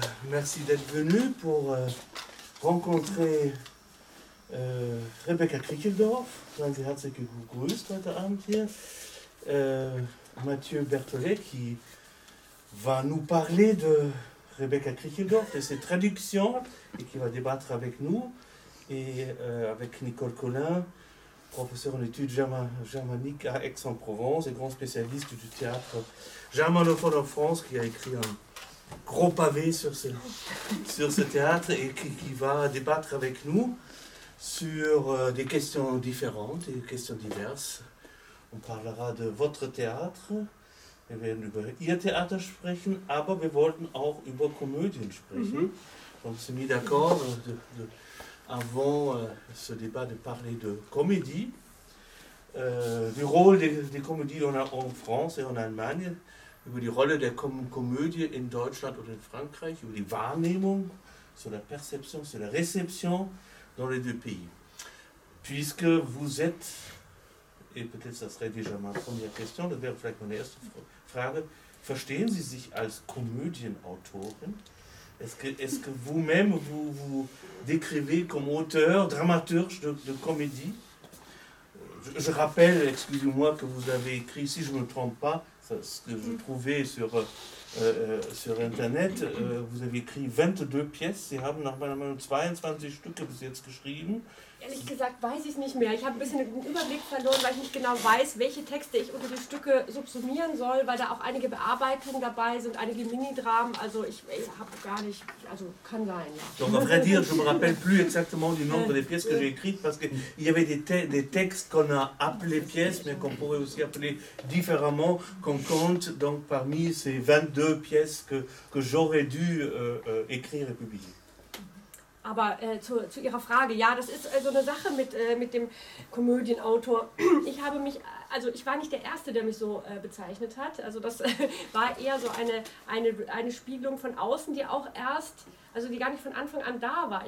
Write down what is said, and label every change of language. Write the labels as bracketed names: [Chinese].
[French] merci d'être venu pour rencontrer Rebecca Krickeldorf. [German] Ganz herzliche Grüße heute Abend hier. [French] Mathieu Berthollet qui va nous parler de Rebecca Krickeldorf, de ses traductions, et qui va débattre avec nous. Et avec Nicole Collin, professeur en études germaniques à Aix-en-Provence et grand spécialiste du théâtre germanophone en France, qui a écrit un gros pavé sur ce théâtre et qui va débattre avec nous sur des questions différentes et des questions diverses. On parlera de votre théâtre, [German] wir werden über Ihr Theater sprechen, aber wir wollten auch über Komödien sprechen. Mm-hmm. [French] On s'est mis d'accord avant ce débat de parler de comédie, du rôle des comédies en France et en Allemagne, [German] über die Rolle der Komödie in Deutschland und in Frankreich, über die Wahrnehmung, [French] sur la perception, sur la réception dans les deux pays. Puisque vous êtes, et peut-être ça serait déjà ma première question, [German] das wäre vielleicht meine erste Frage, verstehen Sie sich als Komödienautorin? [French] Est-ce que vous-même vous décrivez comme auteur, dramaturge de comédie? Je rappelle, excusez-moi, que vous avez écrit, si je ne me trompe pas, ce que je trouvais sur Internet, vous avez écrit 22 pièces. [German] Sie haben nach meiner Meinung 22 Stücke bis jetzt geschrieben. Ehrlich gesagt weiß ich nicht mehr. Ich habe ein bisschen den Überblick verloren, weil ich nicht genau weiß, welche Texte ich unter die Stücke subsumieren soll, weil da auch einige Bearbeitungen dabei sind, einige Minidramen. Also ich habe gar nicht, also kann sein. [French] Donc, à vrai dire, je me rappelle plus exactement du nombre des pièces que j'ai écrites, parce qu'il y avait des textes qu'on a appelés pièces, mais qu'on pourrait aussi appeler différemment, qu'on compte donc parmi ces 22 pièces que j'aurais dû écrire et publier. [German] Aber zu Ihrer Frage, ja, das ist so eine Sache mit dem Komödienautor. Ich habe mich, also ich war nicht der Erste, der mich so bezeichnet hat. Also das war eher so eine Spiegelung von außen, die auch erst, also die gar nicht von Anfang an da war.